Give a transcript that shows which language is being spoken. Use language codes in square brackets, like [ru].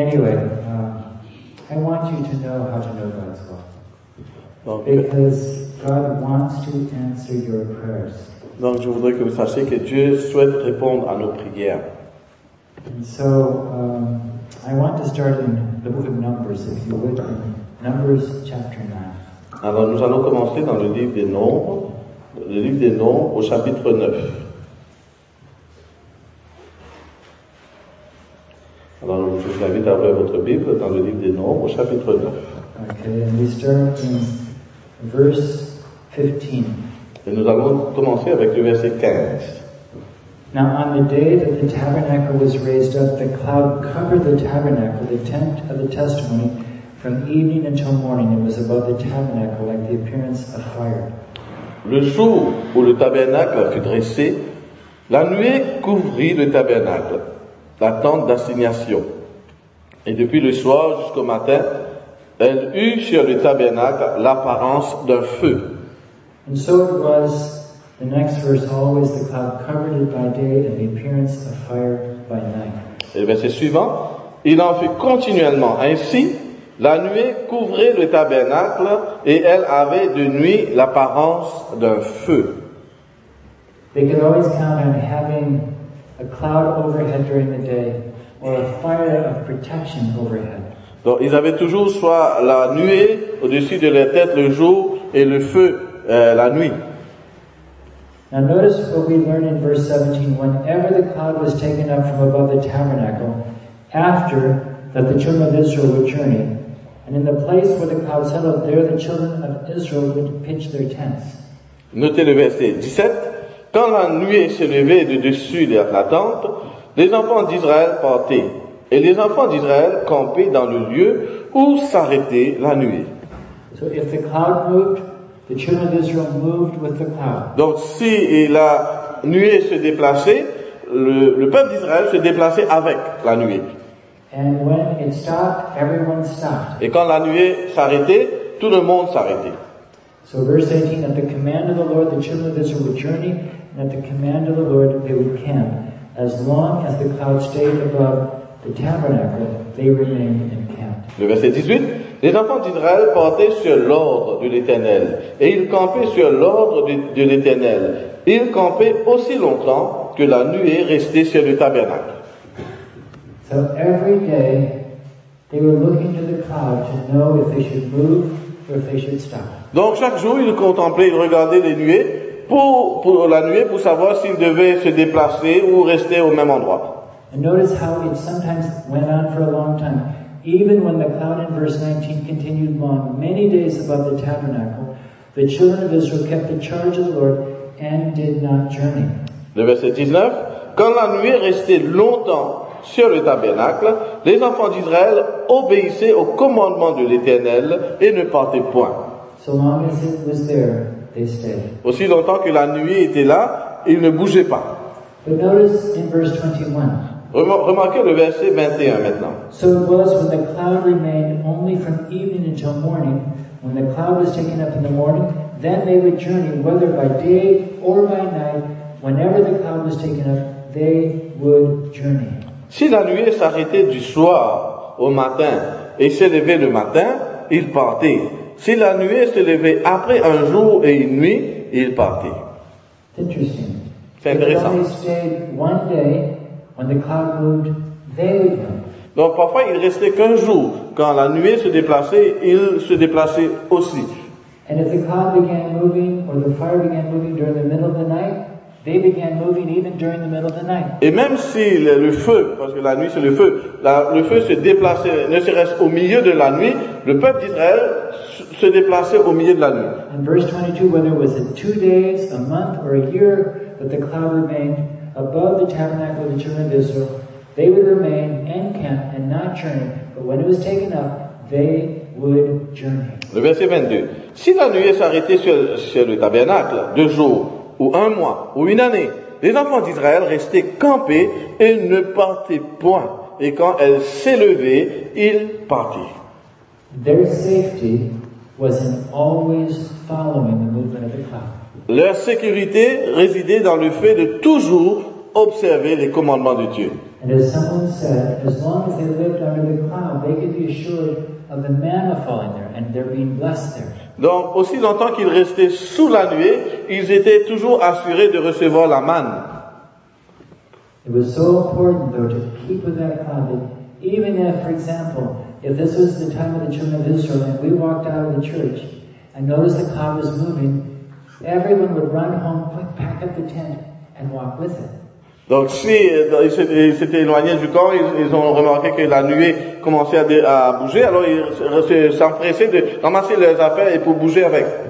[en] Anyway, I want you to know how to know God's will. Because God wants to answer your prayers. [fr] Donc, je voudrais que vous sachiez que Dieu souhaite répondre à nos prières. [en] And so, I want to start in the book of Numbers, if you would, in Numbers chapter 9. [fr] Alors, nous allons commencer dans le livre des Nombres, au chapitre 9. Alors, je vous invite à ouvrir votre Bible dans le livre des Nombres, au chapitre 9. [en] Okay, and we start in Verse 15. [fr] Et nous allons commencer avec le verset 15. [en] Now on the day that the tabernacle was raised up, the cloud covered the tabernacle, the tent of the testimony, from evening until morning. It was above the tabernacle like the appearance of fire. [fr] Le jour où le tabernacle fut dressé, la nuée couvrit le tabernacle, la tente d'assignation. Et depuis le soir jusqu'au matin, elle eut sur le tabernacle l'apparence d'un feu. [en] And so it was, the next verse, always the cloud covered it by day and the appearance of fire by night. [fr] Et le verset suivant, il en fut continuellement ainsi, la nuée couvrait le tabernacle et elle avait de nuit l'apparence d'un feu. [en] They could always count on having a cloud overhead during the day or a fire of protection overhead. [fr] Donc, ils avaient toujours soit la nuée au-dessus de leur tête le jour et le feu la nuit. [en] Now notice what we learn in verse 17. Whenever the cloud was taken up from above the tabernacle, after that the children of Israel would journey, and in the place where the cloud settled, there the children of Israel would pitch their tents. [fr] Notez le verset 17. Quand la nuée se levait de dessus de la tente, les enfants d'Israël partaient. Et les enfants d'Israël campaient dans le lieu où s'arrêtait la nuée. [en] So if the cloud moved, the children of Israel moved with the cloud. [fr] Donc si la nuée se déplaçait, le peuple d'Israël se déplaçait avec la nuée. [en] And when it stopped, everyone stopped. [fr] Et quand la nuée s'arrêtait, tout le monde s'arrêtait. [en] So verse 18, at the command of the Lord, the children of Israel would journey, and at the command of the Lord, they would camp. As long as the cloud stayed above the tabernacle, they remained encamped. [fr] Le verset 18, les enfants d'Israël portaient sur l'ordre de l'Éternel, et ils campaient sur l'ordre de l'Éternel. Ils campaient aussi longtemps que la nuée restait sur le tabernacle. [en] So every day, they were looking to the cloud to know if they should move or if they should stop. [fr] Donc chaque jour, ils contemplaient, ils regardaient les nuées pour la nuée pour savoir s'ils devaient se déplacer ou rester au même endroit. [en] And notice how it sometimes went on for a long time. Even when the cloud in verse 19 continued long, many days above the tabernacle, the children of Israel kept the charge of the Lord and did not journey. [fr] Le verset 19, quand la nuée restait longtemps sur le tabernacle, les enfants d'Israël obéissaient au commandement de l'Éternel et ne partaient point. [en] So long as it was there, they stayed. [fr] Aussi longtemps que la nuée était là, ils ne bougeaient pas. [en] But notice in verse 21. [fr] Remarquez le verset 21 maintenant. [en] So it was when the cloud remained only from evening until morning, when the cloud was taken up in the morning, then they would journey, whether by day or by night, whenever the cloud was taken up, they would journey. [fr] Si la nuée s'arrêtait du soir au matin et s'élevait le matin, ils partaient. Si la nuée se levait après un jour et une nuit, ils partaient. [en] Interesting. [fr] C'est intéressant. [en] They stayed one day when the cloud moved, they would go. [fr] Donc parfois ils restaient qu'un jour. Quand la nuée se déplaçait, ils se déplaçaient aussi. [en] And if the cloud began moving or the fire began moving during the middle of the night, they began moving even during the middle of the night. [fr] Et même si le feu, parce que la nuit c'est le feu, le feu se déplaçait, ne serait-ce au milieu de la nuit, le peuple d'Israël se déplaçait au milieu de la nuit. [en] In verse 22, whether it was in 2 days, a month, or a year, but the cloud remained above the tabernacle of the children of Israel, they would remain encamped and not journey. But when it was taken up, they would journey. [fr] Le verset 22. Si la nuée s'arrêtait sur le tabernacle deux jours, ou un mois, ou une année, les enfants d'Israël restaient campés et ne partaient point. Et quand elle s'élevait, ils partaient. [en] Their safety was in always following the movement of the cloud. [fr] Leur sécurité résidait dans le fait de toujours observer les commandements de Dieu. [en] And as someone said, as long as they lived under the cloud, they could be assured of the manna falling there and their being blessed there. [fr] Donc, aussi longtemps qu'ils restaient sous la nuée, ils étaient toujours assurés de recevoir la manne. [en] It was so important, though, to keep with that cloud, that even if, for example, if this was the time of the children of Israel and we walked out of the church and noticed the cloud was moving, everyone would run home, quick, pack up the tent and walk with it. [fr] Donc, si ils s'étaient éloignés du camp, ils ont remarqué que la nuée commençait à bouger, alors ils s'empressaient de ramasser leurs affaires et pour bouger avec.